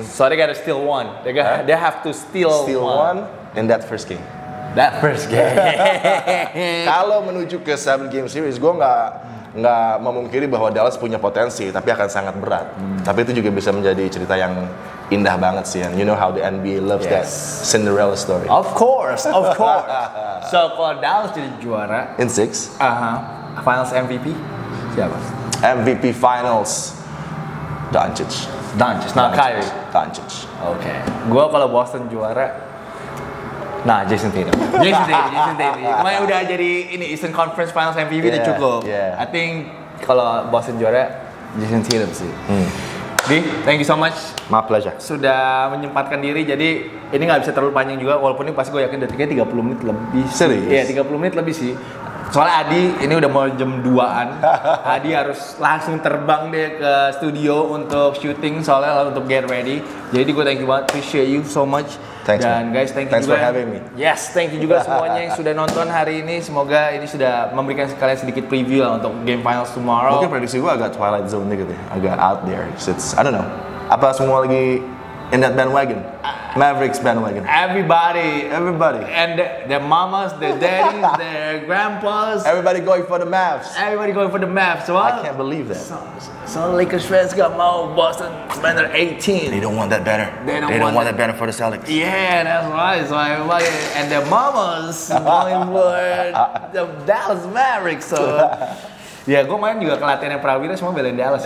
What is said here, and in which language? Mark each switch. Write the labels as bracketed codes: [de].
[en] So they gotta steal one. They got, they have to steal, steal one in that first game. That first game. [id] Kalau menuju ke 7 game series, gue nggak memungkiri bahwa Dallas punya potensi, tapi akan sangat berat. Tapi itu juga bisa menjadi cerita yang indah banget sih. [en] And you know how the NBA loves that Cinderella story. Of course, of course. So [id] kalau Dallas jadi juara [en] in 6, Finals MVP? [id] Siapa? [en] MVP Finals Doncic. Doncic, not Kyrie. Doncic. [id] Oke. Gua kalau Boston juara, nah Jason Tatum. Jason Tatum. Kemarin udah jadi ini Eastern Conference Finals MVP udah cukup. [en] Yeah. I think [id] kalau Boston juara, [en] Jason Tatum sih. Di, thank you so much. My pleasure. [id] Sudah menyempatkan diri, jadi ini nggak bisa terlalu panjang juga, walaupun ini pasti gue yakin detiknya 30 menit lebih. Serius? Iya, 30 menit lebih sih. Soalnya Adi ini udah mau jam 2-an. Adi harus langsung terbang deh ke studio untuk syuting, soalnya untuk get ready. Jadi gue [en] thank you banget, appreciate you so much. Thanks, [id] dan [en] man. Guys, thank you. Thanks [id] juga. [en] Thanks for having me. Yes, thank you [id] juga semuanya yang sudah nonton hari ini. Semoga ini sudah memberikan sekalian sedikit preview lah untuk [en] game finals tomorrow. [id] Mungkin prediksi gue agak Twilight Zone nih gitu ya. Agak out there. [en] It's, I don't know. [id] Apa semua lagi [en] in that bandwagon? Mavericks bandwagon. Everybody. Everybody. And their mamas, their daddies, their grandpas. Everybody going for the Mavs. Everybody going for the Mavs. Well, I can't believe that. So Lakers fans got Mo Boston banner 18. They don't want that banner. They don't want that banner for the Celtics. Yeah, that's right. So everybody and their mamas going for the Dallas Mavericks. So. [id] Ya, gue main juga ke latihan yang Prawira semua belain Dallas.